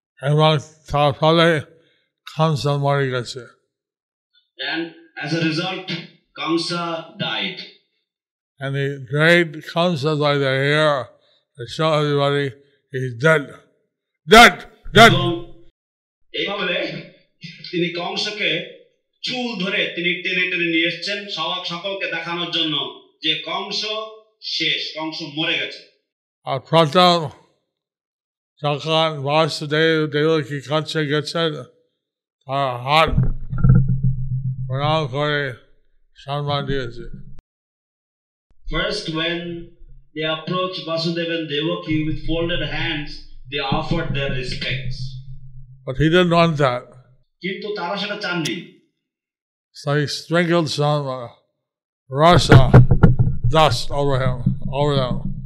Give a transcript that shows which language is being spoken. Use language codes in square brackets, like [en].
[bn] এবং তার ফলে কংসা মরে গেছে। [en] And as a result, Kamsa died. And he dragged Kamsa by the hair to show everybody he's dead. Dead! Dead! [bn] এইভাবে তিনি কংসকে চুল ধরে তিনি টেনে টেনে নিয়ে এসছেন সকলকে দেখানোর জন্য যে কংস শেষ, কংস মরে গেছে। আর প্রথম যখন বাসুদেব দেবকী কাছে গেছেন তার হাত প্রণাম করে সম্মান দিয়েছে। [en] First, when they approached Vasudev and Devaki with folded hands, they offered their respects. But he didn't want that. [bn] কিন্তু তারা সেটা চাননি। [en] So he sprinkled some rasa dust over him, over them.